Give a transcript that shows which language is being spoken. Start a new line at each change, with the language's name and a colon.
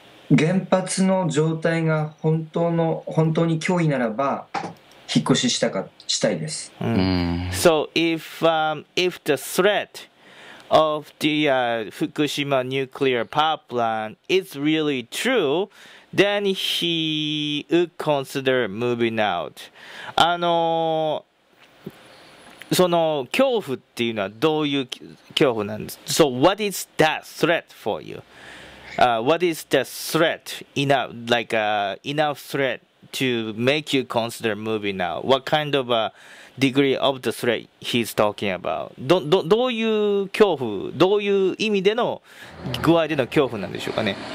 Japanese: 原発の状態が本当に脅威ならば引っ越ししたか、したいです。 Mm.
English: So if the threat of the、Fukushima nuclear power plant is really true, then he would consider moving out.
Japanese: その恐怖っていうのはどういう恐怖なんですか？
English: So what is that threat for you? What is the threat enough, like、enough threat to make you consider moving now? What kind of a degree of the threat he's talking about?
Japanese: どういう恐怖、どういう意味での具合での恐怖なんでしょうかね。